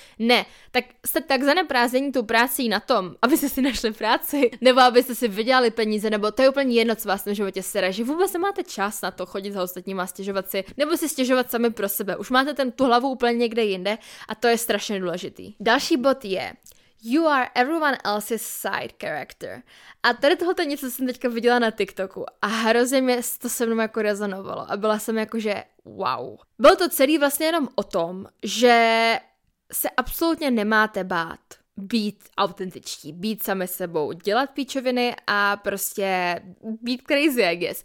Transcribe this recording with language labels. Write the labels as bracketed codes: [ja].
[cs] Ne, tak jste tak zaneprázdnění tu práci na tom, abyste si našli práci, nebo abyste si vydělali peníze, nebo to je úplně jedno, co vás na životě sere, že vůbec nemáte čas na to chodit za ostatníma a stěžovat si, nebo si stěžovat sami pro sebe. Už máte tu hlavu úplně někde jinde a to je strašně důležitý. Další bod je... [en] You are everyone else's side character. [cs] A tady tohle něco jsem teďka viděla na TikToku a hrozně mě to se mnou jako rezonovalo a byla jsem jako, že wow. Bylo to celý vlastně jenom o tom, že se absolutně nemáte bát být autentičtí, být sami sebou, dělat píčoviny a prostě být crazy, [en] I guess.